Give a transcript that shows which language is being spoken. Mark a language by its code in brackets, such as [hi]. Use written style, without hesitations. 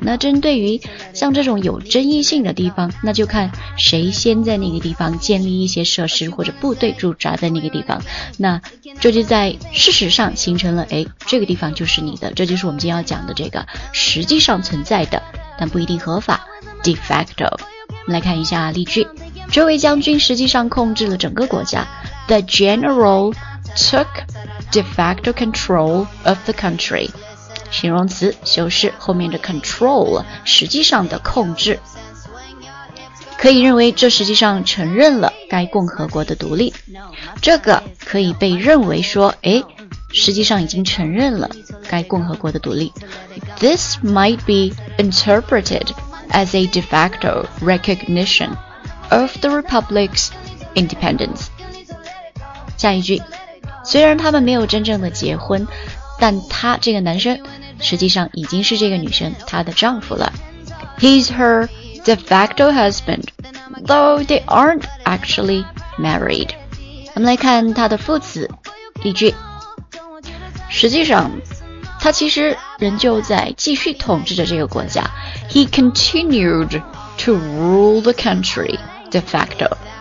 [zh] 那针对于像这种有争议性的地方，那就看谁先在那个地方建立一些设施或者部队驻扎在那个地方，那这就在事实上形成了，哎，这个地方就是你的。这就是我们今天要讲的这个实际上存在的，但不一定合法 ，de facto。我们来看一下例句：这位将军实际上控制了整个国家。 [en] The general took de facto control of the country. [zh] 形容词修饰后面的 control， 实际上的控制。可以认为这实际上承认了该共和国的独立。这个可以被认为说，哎，实际上已经承认了该共和国的独立。 [en] This might be interpreted as a de facto recognition of the Republic's independence. [zh] 下一句，虽然他们没有真正的结婚，但他这个男生实际上已经是这个女生她的丈夫了。 [en] He's her de facto husband, though they aren't actually married. [zh] 我们来看他的副词，例句。实际上，他其实仍旧在继续统治着这个国家。 [en] He continued to rule the country de facto.